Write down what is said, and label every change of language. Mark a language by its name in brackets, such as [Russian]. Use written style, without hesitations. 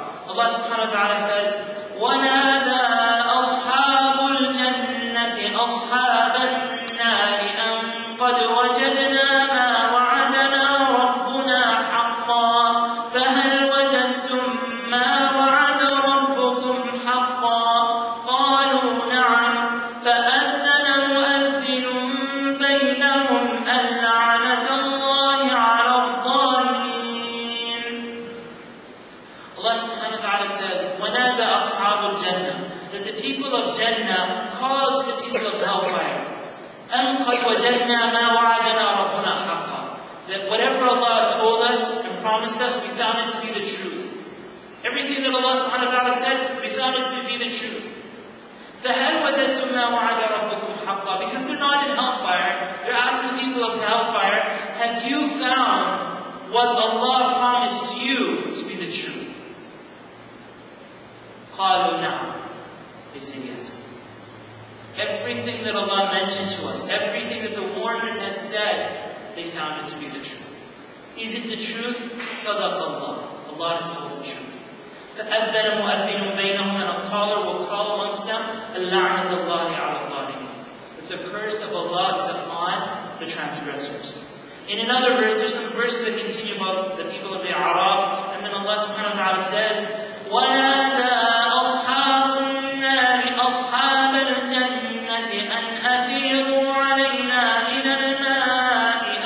[English] Allah subhanahu wa ta'ala says, [Arabic] وَنَادَى أَصْحَابُ الْجَنَّةِ أَصْحَابَ النَّارِ أَمْ قَدْ وَجَدْنَا مَا وَعَدَنَا رَبُّنَا حَقًّا فَهَلْ وَجَدْتُمْ مَا وَعَدَ رَبُّكُمْ حَقًّا قَالُوا نَعَمْ فَأَذَّنَ مُؤَذِّنٌ بَيْنَهُمْ أَلْعَنَةَ اللَّهِ عَلَى الظَّالِمِينَ. [English] Allah subhanahu wa ta'ala says, [Arabic] وَنَادَى أَصْحَابُ الْجَنَّةِ, [English] that the people of Jannah called to the people of hellfire, [Arabic] أَمْ قَدْ وَجَدْنَا مَا وَعَدَنَا رَبُّنَا حَقًّا, [English] that whatever Allah told us and promised us, we found it to be the truth. Everything that Allah subhanahu wa ta'ala said, we found it to be the truth. [Arabic] فَهَلْ وَجَدْتُمْ مَا وَعَدَ رَبُّكُمْ حَقًّا, [English] because they're not in hellfire, they're asking the people of hellfire, have you found what Allah promised you to be the truth? [Arabic] قَالُوا نَعْمُ, [English] they say yes. Everything that Allah mentioned to us, everything that the warners had said, they found it to be the truth. Is it the truth? [Arabic] صَدَقَ اللَّهُ, [English] Allah has told the truth. [Arabic] فَأَذَّنَ مُؤَذِّنٌ بَيْنَهُمْ, [English] and a caller will call amongst them, [Arabic] اللَّعْنَةَ اللَّهِ عَلَى الظَّالِمِينَ, [English] that the curse of Allah is upon the transgressors. In another verse, there's some verses that continue about the people of the A'raf, and then Allah subhanahu wa ta'ala says, [Arabic] وَنَادَى أَصْحَابُ النَّارِ أَصْحَابَ الْجَنَّةِ أَنْ أَفِيضُوا عَلَيْنَا مِنَ الْمَاءِ